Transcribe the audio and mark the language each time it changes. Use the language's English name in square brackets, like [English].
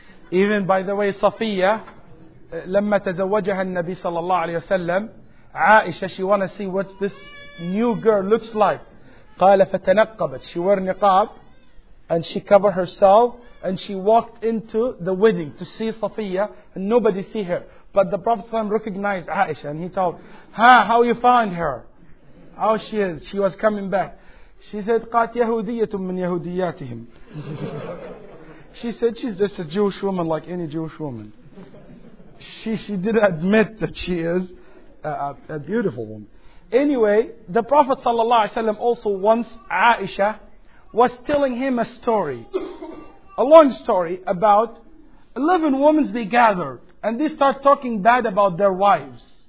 [English] Even, by the way, Safiya, [Arabic] لَمَّ تَزَوَّجَهَا النَّبِي صَلَّى اللَّهُ عَلَيْهِ وَسَلَّمْ, [English] Aisha, she want to see what this new girl looks like. [Arabic] قَالَ فَتَنَقَّبَتْ. [English] She wore niqab and she covered herself and she walked into the wedding to see Safiya and nobody see her. But the Prophet ﷺ recognized Aisha and he told, ha, how you find her? How she is? She was coming back. She said, [Arabic] قَاتْ يَهُودِيَّةٌ مِّنْ يَهُودِيَّاتِهِمْ. [English] She said, she's just a Jewish woman like any Jewish woman. She didn't admit that she is a beautiful woman. Anyway, the Prophet sallallahu alaihi wasallam also once Aisha was telling him a story, a long story about 11 women they gathered and they start talking bad about their wives.